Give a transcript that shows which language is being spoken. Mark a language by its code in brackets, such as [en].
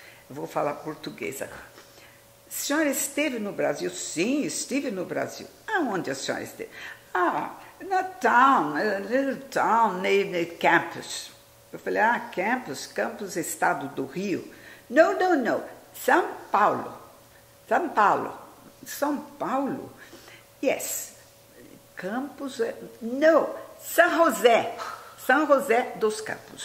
[pt] Vou falar português agora. A senhora esteve no Brasil? Sim, estive no Brasil. Aonde a senhora esteve? [en] Ah, na town, a little town named Campos. [pt] Eu falei, ah, Campos, Campos, estado do Rio. [en] No, no, no, São Paulo. São Paulo. [pt] São Paulo? Yes. Campos, no, São José. São José dos Campos.